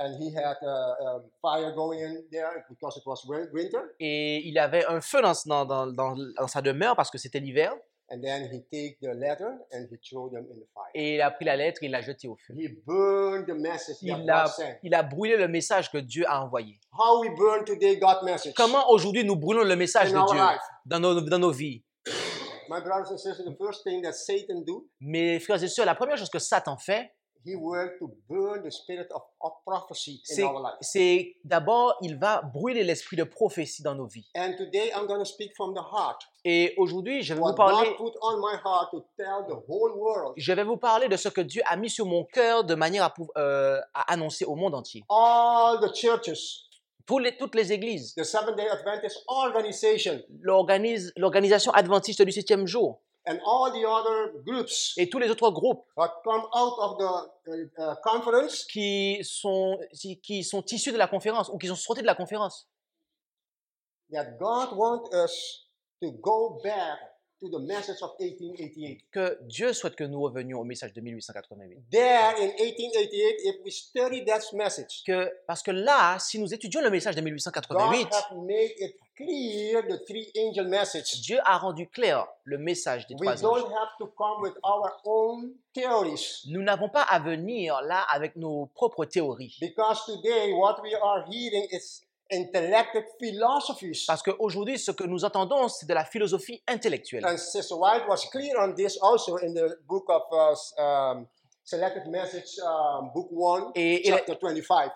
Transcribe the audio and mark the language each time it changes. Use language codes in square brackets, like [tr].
[en] And he had a fire going there because it was winter. [fr] Et il avait un feu dans sa demeure parce que c'était l'hiver. [en] And then he took the letter and he threw them in the fire. [fr] Et il a pris la lettre et il l'a jetée au feu. [en] He burned the message that God sent. [fr] Il a brûlé le message que Dieu a envoyé. [en] How we burn today God's message? [fr] Comment aujourd'hui nous brûlons le message de Dieu dans nos vies? [en] My brothers and sisters, the first thing that Satan do. [fr] Mes frères et sœurs, la première chose que Satan fait. [en] He works to burn the spirit of prophecy in our life. [fr] C'est d'abord, il va brûler l'esprit de prophétie dans nos vies. [en] And today I'm going to speak from the heart. [fr] Et aujourd'hui, je vais vous parler. [en] What God put on my heart to tell the whole world. [fr] Je vais vous parler de ce que Dieu a mis sur mon cœur de manière à annoncer au monde entier. [en] All the churches. [fr] Toutes les églises. [en] The Seventh-day Adventist organization. [fr] L'organisation adventiste du septième jour. [en] And all the other groups. [fr] Et tous les autres groupes. [en] That come out of the conference. [fr] Qui sont issus de la conférence ou qui sont sortis de la conférence. [en] That God wants us to go back to the message of 1888. [fr] Que Dieu souhaite que nous revenions au message de 1888. [en] There in 1888, if we study that message. [fr] Parce que là, si nous étudions le message de 1888. [en] God has made it clear the three angel message. [fr] Dieu a rendu clair le message des trois anges. [en] We don't have to come with our own theories. [fr] Nous n'avons pas à venir là avec nos propres théories. [en] Because today what we are hearing is intellectual philosophies. [fr] Parce que aujourd'hui ce que nous entendons c'est de la philosophie intellectuelle. [en] And Sister White was clear on this also in the book of Selected Message, book 1, chapter 25.